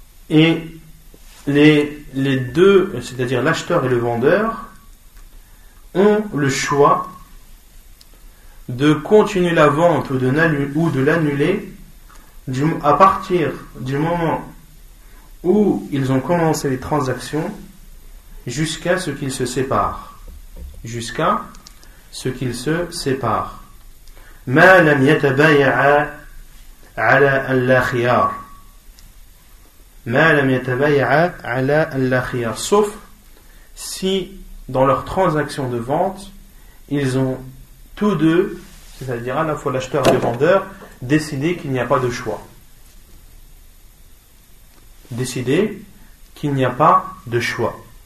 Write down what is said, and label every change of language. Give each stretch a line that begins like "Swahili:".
French: Et les deux, c'est-à-dire l'acheteur et le vendeur, ont le choix de continuer la vente ou de l'annuler à partir du moment où ils ont commencé les transactions jusqu'à ce qu'ils se séparent. Jusqu'à ce qu'ils se séparent.
Arabic: ما لم يتبايع على الا خيار. ما لم يتبايع على الا خيار.
French: Sauf si dans leur transaction de vente, ils ont tous deux, c'est-à-dire à la fois l'acheteur et le vendeur, décidé qu'il n'y a pas de choix. Décidé qu'il n'y a pas de choix.